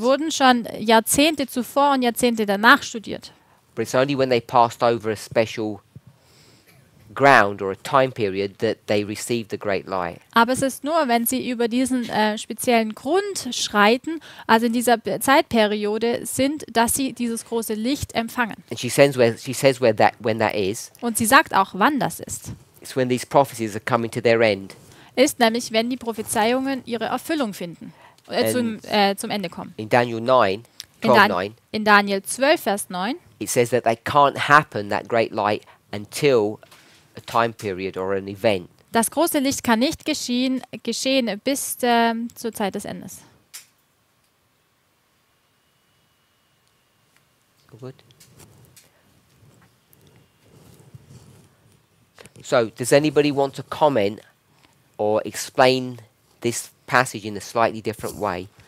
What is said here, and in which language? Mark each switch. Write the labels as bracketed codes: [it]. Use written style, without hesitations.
[de] Wurden schon Jahrzehnte zuvor und Jahrzehnte danach studiert. [en] But it's only when they passed over a special ground or a time period that they received the great light. [de] Aber es ist nur, wenn sie über diesen speziellen Grund schreiten, also in dieser Zeitperiode sind, dass sie dieses große Licht empfangen. [en] And she says where that, when that is. [de] Und sie sagt auch, wann das ist. [en] It's when these prophecies are coming to their end. [de] Ist nämlich, wenn die Prophezeiungen ihre Erfüllung finden, zum Ende kommen. [en] In Daniel 9:12-9. [de] In Daniel 12, Vers 9. [en] It says that they can't happen that great light until a time period or an event. [de] Das große Licht kann nicht geschehen bis zur Zeit des Endes. [en] Good. So, does anybody want to comment or explain this passage in a slightly different way?